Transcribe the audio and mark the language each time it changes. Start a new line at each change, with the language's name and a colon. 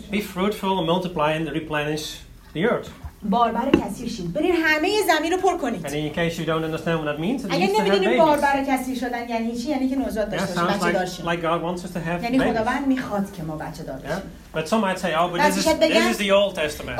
English: Be fruitful and multiply and replenish the earth.
Persian: باربر کثیر شید، برین همه زمین رو پر کنید.
English: And in case you don't understand what that means,
Persian: اگه نمیدونیم باربر کثیر شدن یعنی چی، یعنی که نوزاد داشته باشیم، بچه دار شیم.
English: Like God wants us to have
Persian: یعنی خداوند میخواد که ما بچه دار بشیم.
English: Yeah. But some might say, oh, but this is the Old Testament.